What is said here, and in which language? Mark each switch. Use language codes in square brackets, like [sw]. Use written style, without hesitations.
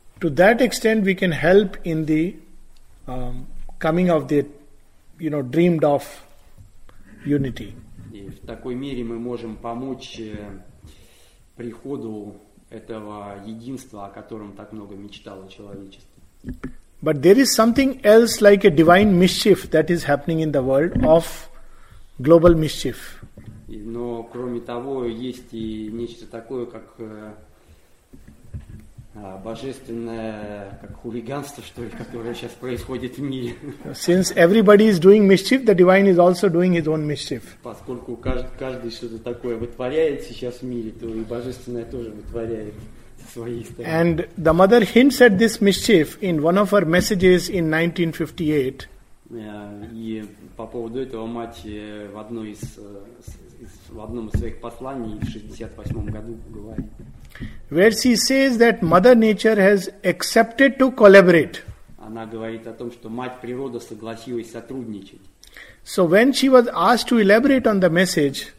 [en] To that extent we can help in the coming of the, you know, dreamed of unity. [ru] И в такой мере мы можем помочь приходу этого единства, о котором так много мечтало человечество. [en] But there is something else, like a divine mischief that is happening in the world, of global mischief. [ru] Но кроме того, есть и нечто такое, как божественное, как хулиганство, что ли, которое сейчас происходит в мире. [en] Since everybody is doing mischief, the divine is also doing his own mischief. [ru] Поскольку каждый что-то такое вытворяет сейчас в мире, то и божественное тоже вытворяет со своей стороны. [en] And the mother hints at this mischief in one of her messages in 1958. [ru] И по поводу этого мать в одном из своих посланий в 68 году говорит. [en] Where she says that Mother Nature has accepted to collaborate. [ru] Она говорит о том, что мать природа согласилась сотрудничать. [en] So when she was asked to elaborate on the message,